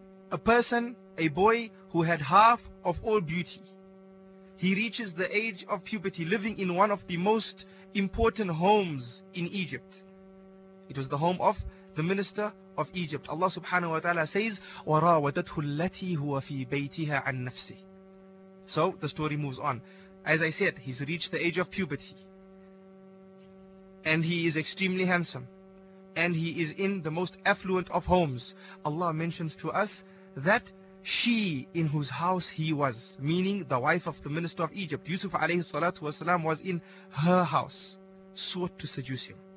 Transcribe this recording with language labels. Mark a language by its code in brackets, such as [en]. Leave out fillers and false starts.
[en] A person, a boy who had half of all beauty. He reaches the age of puberty, living in one of the most important homes in Egypt. It was the home of the minister of Egypt. Allah subhanahu wa ta'ala says, [ar] وَرَاوَدَتْهُ الَّتِي هُوَ فِي بَيْتِهَا عَنْ نَفْسِهِ. [en] So the story moves on. As I said, he's reached the age of puberty, and he is extremely handsome, and he is in the most affluent of homes. Allah mentions to us that she in whose house he was, meaning the wife of the minister of Egypt, Yusuf alayhi salatu wasalam, was in her house, sought to seduce him.